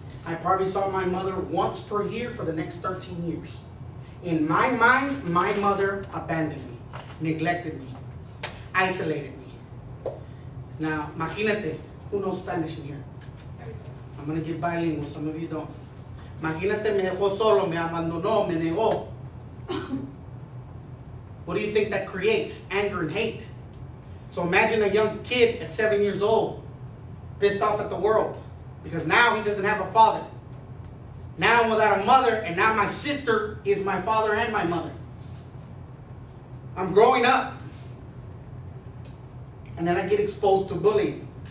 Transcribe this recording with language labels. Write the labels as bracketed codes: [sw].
[en] I probably saw my mother once per year for the next 13 years. In my mind, my mother abandoned me, neglected me, isolated me. Now, imagínate, who knows Spanish in here? I'm gonna get bilingual, some of you don't. [es] Imagínate, me dejó solo, me abandonó, me negó. [en] What do you think that creates? Anger and hate. So imagine a young kid at 7 years old, pissed off at the world, because now he doesn't have a father. Now I'm without a mother, and now my sister is my father and my mother. I'm growing up, and then I get exposed to bullying.